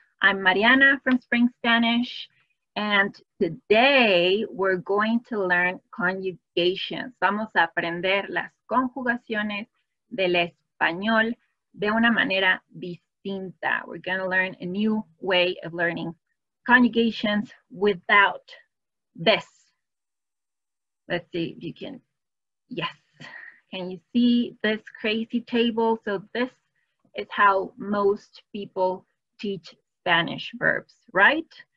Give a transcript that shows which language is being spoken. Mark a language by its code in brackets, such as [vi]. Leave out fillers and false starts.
[en] I'm Mariana from Spring Spanish, and today we're going to learn conjugations. [es] Vamos a aprender las conjugaciones del español de una manera distinta. [en] We're going to learn a new way of learning conjugations without this. Let's see if you can, yes. Can you see this crazy table? So this is how most people teach Spanish verbs, right?